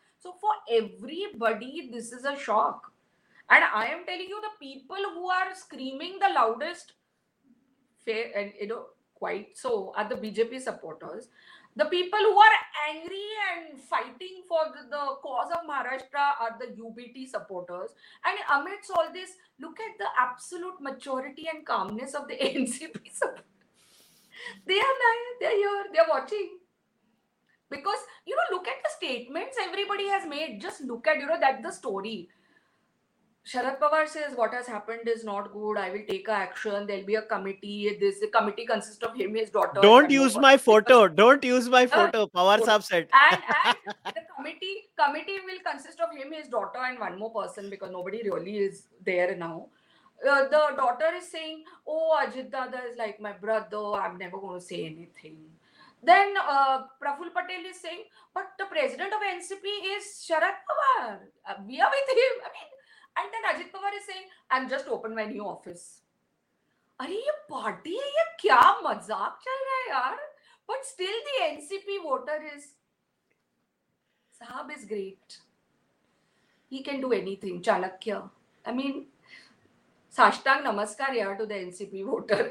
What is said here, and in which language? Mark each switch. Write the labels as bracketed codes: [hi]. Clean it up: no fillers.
[en] So for everybody this is a shock. And I am telling you the people who are screaming the loudest and you know quite so are the BJP supporters the people who are angry and fighting for the cause of Maharashtra are the UBT supporters. And amidst all this look at the absolute maturity and calmness of the NCP supporters. They are lying, they are here, they are watching. Because, you know, look at the statements everybody has made. Just look at, you know, that the story. Sharad Pawar says, what has happened is not good. I will take action. There will be a committee. This committee consists of him, his daughter. Don't use my photo. Pawar Saab said. And the committee will consist of him, his daughter and one more person, because nobody really is there now. The daughter is saying, oh, Ajit Dada is like my brother. I'm never going to say anything. Then Praful Patel is saying, but the president of NCP is Sharad Pawar. We are with him. I mean, and then Ajit Pawar is saying, I'm just opened my new office. [hi] अरे ये party है या क्या मजाक चल रहा है यार. [en] But still the NCP voter is साहब is great. He can do anything. Chanakya I mean [hi] साष्टांग नमस्कार यार [en] To the NCP voter.